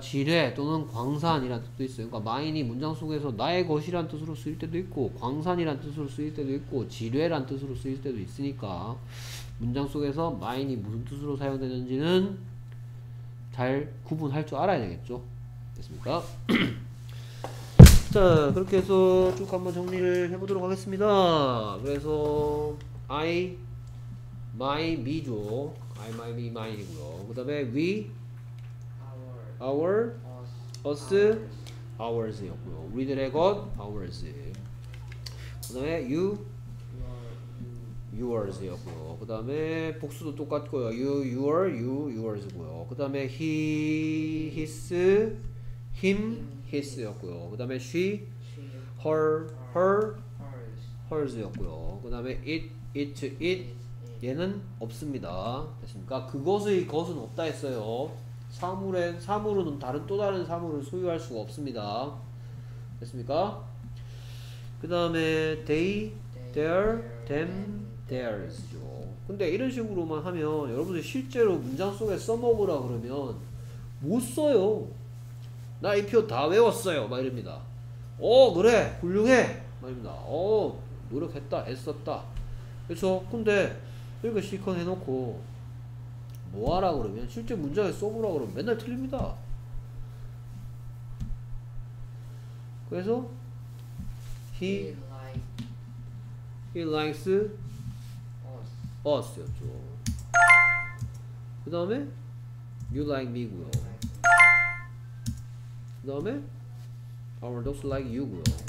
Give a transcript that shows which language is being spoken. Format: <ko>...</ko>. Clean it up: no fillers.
<ko>지뢰 또는 광산이라는 뜻도 있어요. 그러니까 마인이 문장 속에서 나의 것이란 뜻으로 쓰일 때도 있고 광산이란 뜻으로 쓰일 때도 있고 지뢰란 뜻으로 쓰일 때도 있으니까 문장 속에서 마인이 무슨 뜻으로 사용되는지는 잘 구분할 줄 알아야 되겠죠. 됐습니까? 자, 그렇게 해서 쭉 한번 정리를 해보도록 하겠습니다.</ko> <en>그래서 I, my, me죠. I, my, me, mine 이고요.</en> <ko>그 다음에 we,</ko> <en>our, us, ours 이었고요.</en> <ko>우리들의 것, ours. 그 다음에 you,</ko> <en>yours</en> <ko>이었고요. 그 다음에 복수도 똑같고요.</ko> <en>you, your, you, yours 이고요.</en> <ko>그 다음에</ko> <en>he, his, him, his 이었고요.</en> <ko>그 다음에 she, her,</ko> <en>hers</en> <ko>이었고요. 그 다음에 it. 얘는 없습니다. 됐습니까? 그것의 것은 없다 했어요. 사물은 다른 또 다른 사물을 소유할 수가 없습니다. 됐습니까? 그 다음에 they,</ko> <en>their, them, theirs죠.</en> <ko>근데 이런 식으로만 하면 여러분들 실제로 문장 속에 써먹으라 그러면 못 써요. 나 이 표 다 외웠어요. 막 이릅니다. 어 그래 훌륭해. 막 이릅니다. 어 노력했다 애썼다. 그렇죠? 근데 이렇게 실컷 해놓고 뭐하라 그러면 실제 문장에 써보라 그러면 맨날 틀립니다. 그래서</ko> <en>he likes us 였죠. 그 다음에 you like me 구요. 그 다음에 our dogs like you 구요.</en>